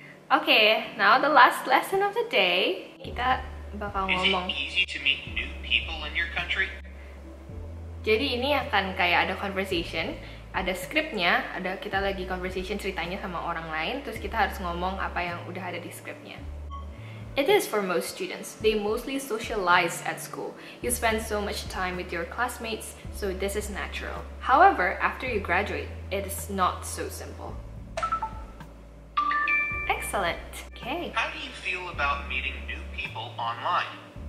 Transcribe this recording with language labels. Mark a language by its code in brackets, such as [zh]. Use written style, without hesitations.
[en] Okay, now the last lesson of the day. [id] Kita bakal ngomong. [en] Is it easy to meet new people in your country? [id] Jadi ini akan kayak ada conversation, ada scriptnya, ada kita lagi conversation ceritanya sama orang lain, terus kita harus ngomong apa yang udah ada di scriptnya. [en] It is for most students. They mostly socialize at school. You spend so much time with your classmates, so this is natural. However, after you graduate, it is not so simple. Excellent. Okay. How do you feel about meeting new people online?